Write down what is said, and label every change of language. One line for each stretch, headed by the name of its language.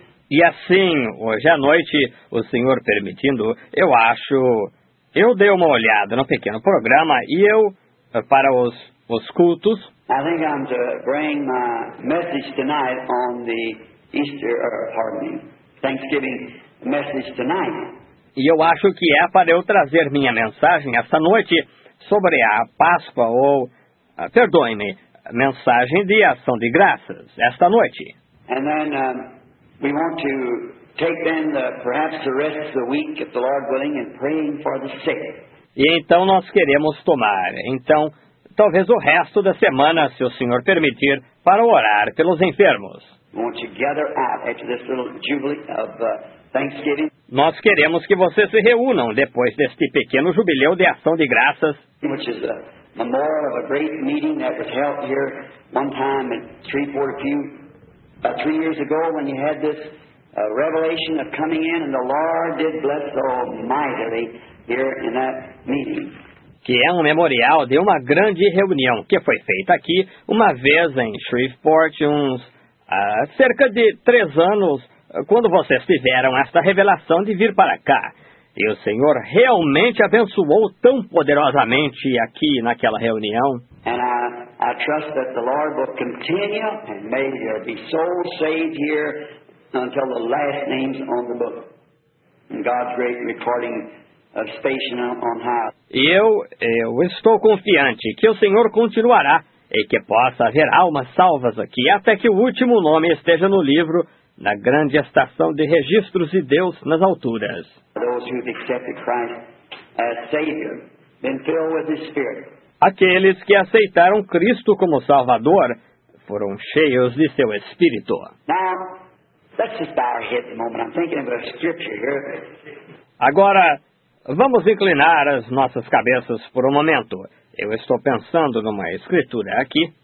Portuguese: E assim, hoje à noite, o Senhor permitindo, eu acho, eu dei uma olhada no pequeno programa e eu, para os cultos,
English: I think I'm to bring my message tonight on the Easter, pardon me, Thanksgiving message tonight.
Portuguese: E eu acho que é para eu trazer minha mensagem esta noite sobre a Páscoa ou, perdoe-me, mensagem de ação de graças esta noite.
English: And then we want to take then the, perhaps the rest of the week, if the Lord willing, and praying for the sick.
Portuguese: E então nós queremos tomar, então, talvez o resto da semana, se o Senhor permitir, para orar pelos enfermos.
English: We want to gather out after this little jubilee of Thanksgiving.
Portuguese: Nós queremos que vocês se reúnam depois deste pequeno jubileu de ação de graças.
English: Which is a memorial of a great meeting that was held here one time in Shreveport a few. Three years ago, when you had this revelation of coming in, and the Lord did bless so mightily here in that meeting.
Portuguese: Que é memorial de uma grande reunião que foi feita aqui uma vez em Shreveport uns cerca de 3 anos, quando vocês tiveram esta revelação de vir para cá. E o Senhor realmente abençoou tão poderosamente aqui naquela reunião.
English: And I trust that the Lord will continue and may there be souls saved here until the last names on the book. And God's great recording of station on high.
Portuguese: Eu estou confiante que o Senhor continuará e que possa haver almas salvas aqui até que o último nome esteja no livro na grande estação de registros de Deus nas alturas.
English: Those who've accepted Christ as Savior, been filled with His Spirit.
Portuguese: Aqueles que aceitaram Cristo como Salvador foram cheios de seu Espírito.
English: Now, Let's just bow our head for a moment. I'm thinking of a scripture here.
Portuguese: Agora, vamos inclinar as nossas cabeças por um momento. Eu estou pensando numa escritura aqui.